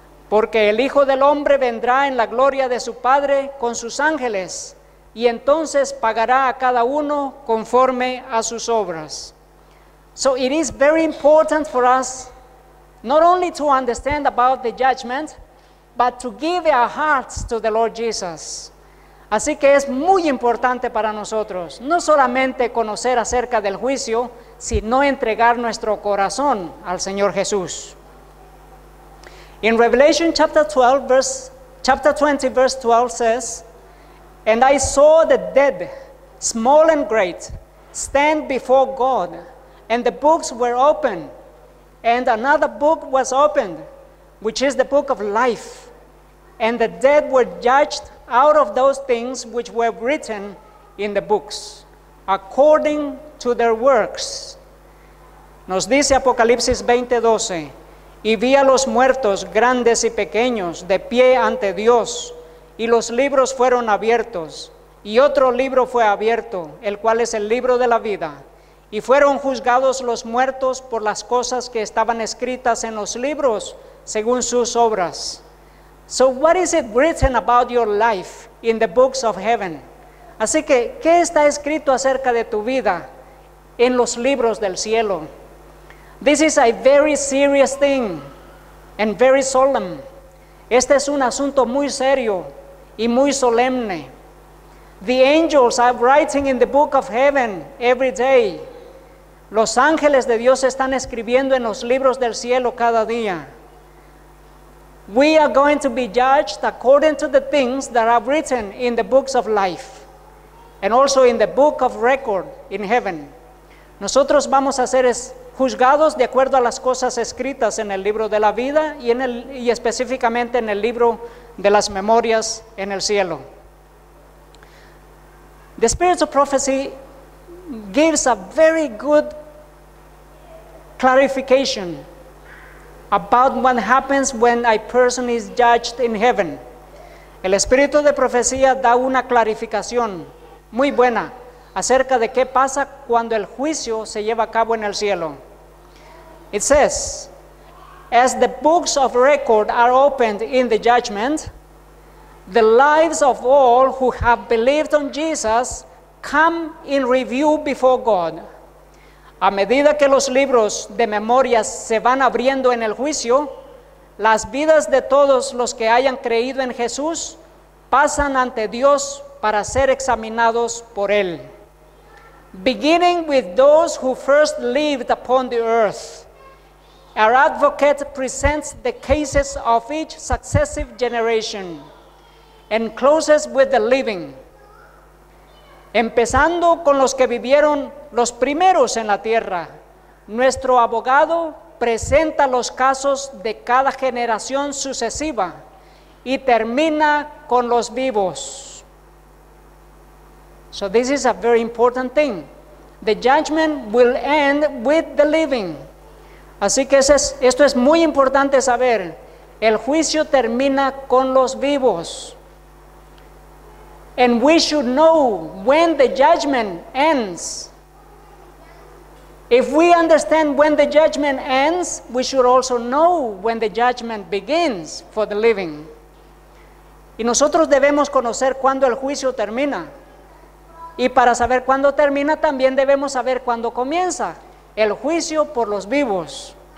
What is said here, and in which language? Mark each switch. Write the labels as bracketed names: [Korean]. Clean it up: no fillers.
[Spanish] Porque el Hijo del Hombre vendrá en la gloria de su Padre con sus ángeles, y entonces pagará a cada uno conforme a sus obras. [English] So it is very important for us not only to understand about the judgment, but to give our hearts to the Lord Jesus. [Spanish] Así que es muy importante para nosotros no solamente conocer acerca del juicio, sino entregar nuestro corazón al Señor Jesús. [English] In Revelation chapter 20 verse 12 says, and I saw the dead, small and great, stand before God, and the books were opened, and another book was opened, which is the book of life. And the dead were judged out of those things which were written in the books, according to their works. [Spanish] Nos dice Apocalipsis 20:12, y vi a los muertos, grandes y pequeños, de pie ante Dios, y los libros fueron abiertos, y otro libro fue abierto, el cual es el libro de la vida. Y fueron juzgados los muertos por las cosas que estaban escritas en los libros, según sus obras. [English] So what is it written about your life in the books of heaven? [Spanish] Así que, ¿qué está escrito acerca de tu vida en los libros del cielo? [English] This is a very serious thing and very solemn. [Spanish] Este es un asunto muy serio y muy solemne. [English] The angels are writing in the book of heaven every day. [Spanish] Los ángeles de Dios están escribiendo en los libros del cielo cada día. [English] We are going to be judged according to the things that are written in the books of life and also in the book of record in heaven. [Spanish] Nosotros vamos a ser juzgados de acuerdo a las cosas escritas en el libro de la vida y específicamente en el libro de las memorias en el cielo. [English] The spirit of prophecy gives a very good clarification about what happens when a person is judged in heaven. [Spanish] El espíritu de profecía da una clarificación muy buena acerca de qué pasa cuando el juicio se lleva a cabo en el cielo. [English] It says, as the books of record are opened in the judgment, the lives of all who have believed on Jesus come in review before God. [Spanish] A medida que los libros de memorias se van abriendo en el juicio, las vidas de todos los que hayan creído en Jesús pasan ante Dios para ser examinados por Él. [English] Beginning with those who first lived upon the earth, our advocate presents the cases of each successive generation and closes with the living. [Spanish] Empezando con los que vivieron los primeros en la tierra, nuestro abogado presenta los casos de cada generación sucesiva y termina con los vivos. [English] So this is a very important thing. The judgment will end with the living. [Spanish] Así que esto es muy importante saber. El juicio termina con los vivos. [English] And we should know when the judgment ends. If we understand when the judgment ends, we should also know when the judgment begins for the living. [Spanish] Y nosotros debemos conocer cuándo el juicio termina. Y para saber cuándo termina, también debemos saber cuándo comienza el juicio por los vivos.